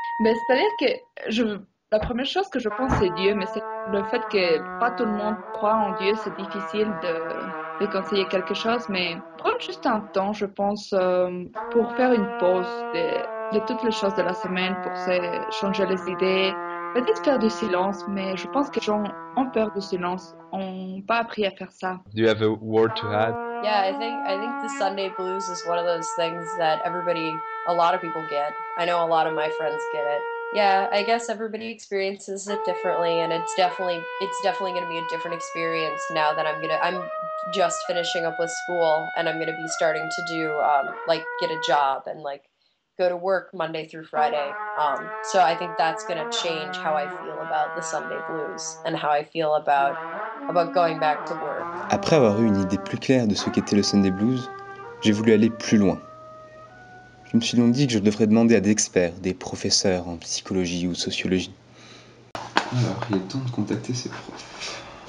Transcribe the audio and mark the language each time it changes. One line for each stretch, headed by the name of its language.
French: Mais c'est-à-dire que la première chose que je pense, c'est Dieu, mais c'est le fait que pas tout le monde croit en Dieu, c'est difficile de conseiller quelque chose, mais prendre juste un temps, je pense, pour faire une pause de toutes les choses de la semaine, pour se changer les idées. Peut-être faire du silence, mais je pense que les gens ont peur du silence, ont pas appris à faire ça.
English: Do you have a word to add? Yeah, I think the Sunday blues is one of those things that everybody, a lot of people get. I know a lot of my friends get it. Yeah, I guess everybody experiences it differently, and it's definitely going to be a different experience now that I'm just finishing up with school, and I'm going to be starting to do get a job and like go to work Monday through Friday. So I think that's going to change how I feel about the Sunday blues and how I feel about going back to work.
French: Après avoir eu une idée plus claire de ce qu'était le Sunday blues, j'ai voulu aller plus loin. Je me suis donc dit que je devrais demander à des experts, des professeurs en psychologie ou sociologie. Alors, il est temps de contacter ces profs.